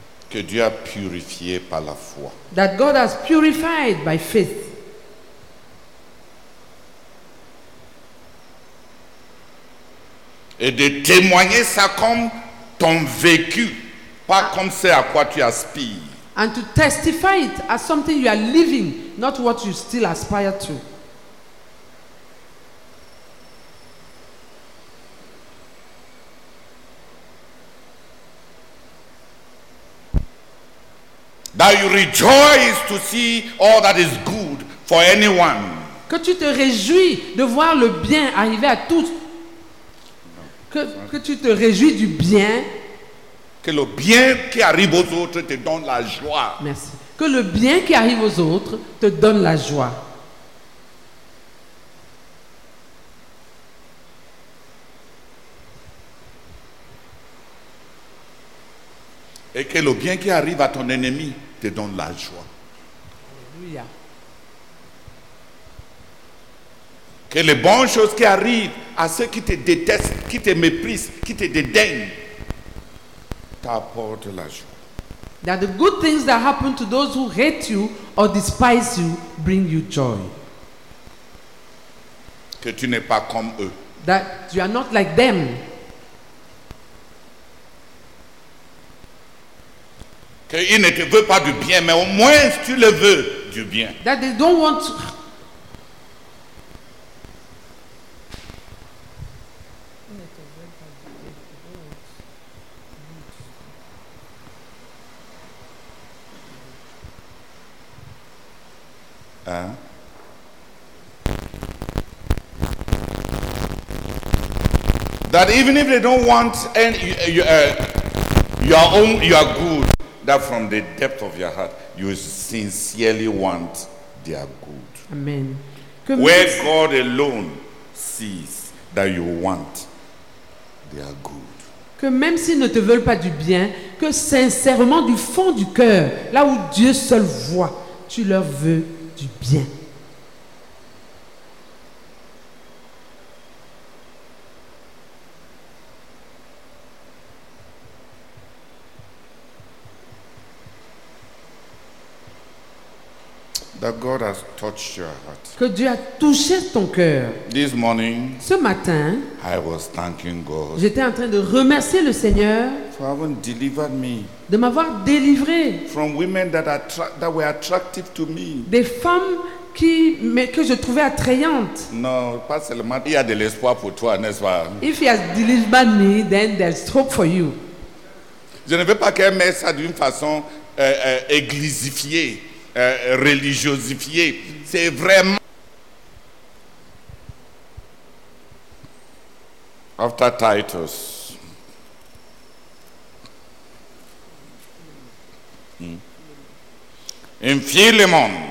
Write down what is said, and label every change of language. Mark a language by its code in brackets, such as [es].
[fr] Que Dieu a purifié par la foi. [en] That God has purified by faith. [fr] Et de témoigner ça comme ton vécu, pas comme ce à quoi tu aspires. [en] And to testify it as something you are living, not what you still aspire to. That you rejoice to see all that is good for anyone. [fr] Que tu te réjouis de voir le bien arriver à tous. Que tu te réjouis du bien. Que le bien qui arrive aux autres te donne la joie. Merci. Que le bien qui arrive aux autres te donne la joie. Et le bien qui arrive à ton ennemi te donne la joie. Alléluia. Que les bonnes choses qui arrivent à ceux qui te détestent, qui te méprisent, qui te dédaignent, t'apportent la joie. [en] That the good things that happen to those who hate you or despise you bring you joy. [fr] Que tu n'es pas comme eux. [en] That you are not like them. [fr] Qu'ils ne te veulent pas du bien, mais au moins tu le veux du bien. [en] That they don't want to. That even if they don't want any your own, you are good. That from the depth of your heart, you sincerely want their good. Amen. Where God alone sees that you want their good. [fr] Que même s'ils ne te veulent pas du bien, que sincèrement du fond du cœur, là où Dieu seul voit, tu leur veux du bien. [en] That God has touched your heart. [fr] Que Dieu a touché ton cœur. [en] This morning, [fr] ce matin, [en] I was thanking God. [fr] J'étais en train de remercier le Seigneur. [en] For having delivered me. [fr] De m'avoir délivré. [en] From women that were attractive to me. [fr] Des femmes que je trouvais attrayantes. Non, pas seulement. Il y a de l'espoir pour toi, n'est-ce pas? If he has delivered me, then there's hope for you. Je ne veux pas qu'elle mette ça d'une façon églisifiée. Religiosifié, c'est vraiment. [en] After Titus, in Philemon.